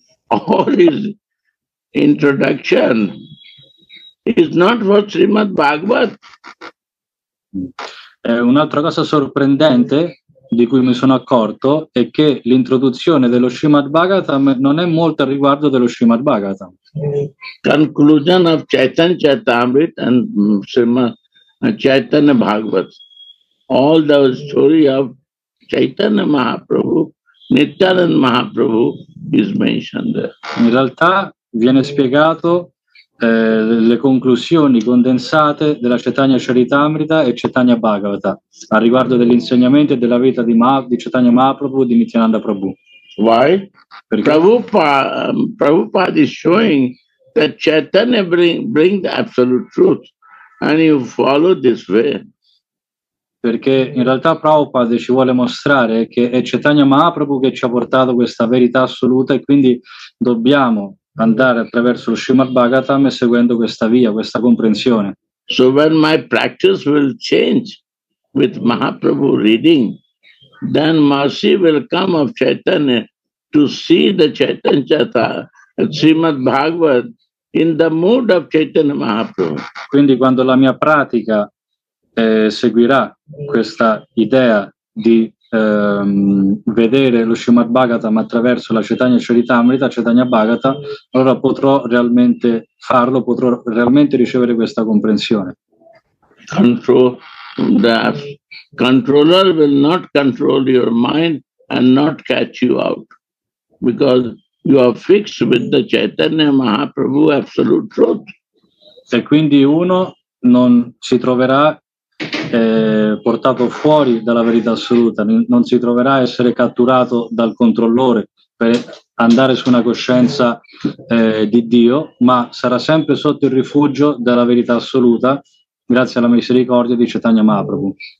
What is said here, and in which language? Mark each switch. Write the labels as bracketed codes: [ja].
[en] All his introduction is not for Srimad Bhagavat. [it] Un'altra cosa sorprendente di cui mi sono accorto è che l'introduzione dello Srimad Bhagavatam non è molto al riguardo dello Srimad Bhagavatam. [en] Conclusion of Chaitanya Charitamrita and Srimad Chaitanya Bhagavat. All the story of Chaitanya Mahaprabhu, Nityananda Mahaprabhu is mentioned there. [it] In realtà viene spiegato le conclusioni condensate della Chaitanya Charitamrita e Chaitanya Bhagavata a riguardo dell'insegnamento e della vita di Chaitanya Mahaprabhu e di Nityananda Prabhu. [en] Why? [it] Perché [en] Prabhupada is showing that Chaitanya bring the absolute truth and you follow this way. [it] Perché in realtà Prabhupada ci vuole mostrare che è Chaitanya Mahaprabhu che ci ha portato questa verità assoluta e quindi dobbiamo andare attraverso lo Srimad Bhagavatam e seguendo questa via, questa comprensione. [en] So when my practice will change with Mahaprabhu reading, then mercy will come of Chaitanya to see the Chaitanya Chata, Srimad Bhagavat in the mood of Chaitanya Mahaprabhu. [it] Quindi quando la mia pratica seguirà questa idea di vedere lo Srimad Bhagavatam attraverso la Chaitanya Charitamrita, Chaitanya Bhagavata, allora potrò realmente farlo, potrò realmente ricevere questa comprensione. [en] The controller will not control your mind and not catch you out because you are fixed with the Chaitanya Mahaprabhu absolute truth. [it] E quindi uno non si troverà portato fuori dalla verità assoluta, non si troverà a essere catturato dal controllore per andare su una coscienza di Dio, ma sarà sempre sotto il rifugio della verità assoluta grazie alla misericordia di Chaitanya Mahaprabhu.